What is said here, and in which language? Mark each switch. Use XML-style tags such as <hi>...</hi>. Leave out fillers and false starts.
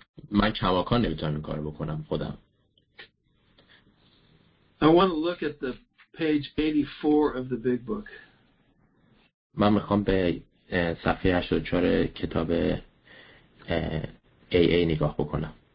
<fa>من کماکان نمیتونم این کار بکنم خودم.</fa> <en>I want to look at the page 84 of the big book.</en> <fa>من میخوام به صفحه 84 کتاب AA نگاه بکنم.</fa>